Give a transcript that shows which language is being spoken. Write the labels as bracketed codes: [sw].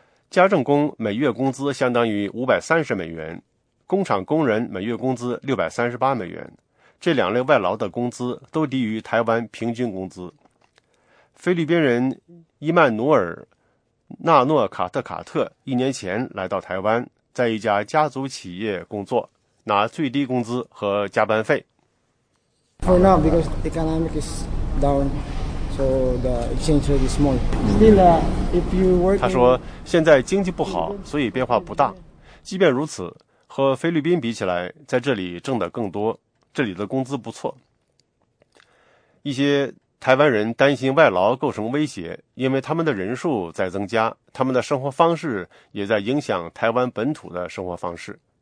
[zh] 家政工每月工资相当于530美元，工厂工人每月工资638美元，这两类外劳的工资都低于台湾平均工资。菲律宾人伊曼努尔·纳诺·卡特卡特一年前来到台湾，在一家家族企业工作，拿最低工资和加班费。 [en] For now, because the economic is down, so the exchange rate is small. Still, if you work. [zh] 他说：“现在经济不好，所以变化不大。即便如此，和菲律宾比起来，在这里挣得更多，这里的工资不错。” 一些台湾人担心外劳构成威胁，因为他们的人数在增加，他们的生活方式也在影响台湾本土的生活方式。